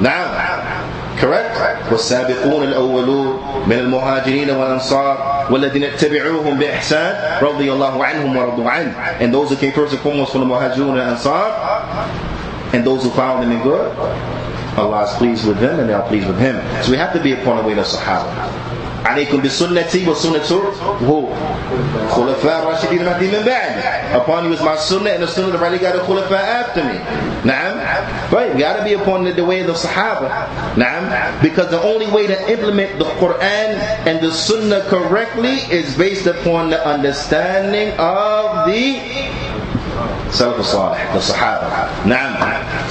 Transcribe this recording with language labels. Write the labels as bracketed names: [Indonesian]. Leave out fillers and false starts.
[English] Now, correct? [Arabic] وَالسَّابِقُونَ الْأَوَّلُونَ مِنَ الْمُهَاجِرِينَ وَالْأَنصَارِ وَالَّذِينَ اتَّبِعُوهُمْ بِإِحْسَانٍ رَضِيَ اللَّهُ عَنْهُمْ وَرَضُوا عَنْهُ. [English] And those who came first and foremost from the Muhajirun and Ansar, and those who found them in good, Allah is pleased with them and they are pleased with Him. So we have to be upon the way of Sahaba. [Arabic] عليكم بسنتي وسنته هو خلفاء راشدين المهدي من بعد. [English] Upon you is my sunnah and the sunnah of the right خلفاء after me. نعم. Right, gotta be upon the way of the Sahaba. نعم. Because the only way to implement the Quran and the sunnah correctly is based upon the understanding of the Salaf al-Salih, the Sahaba. نعم.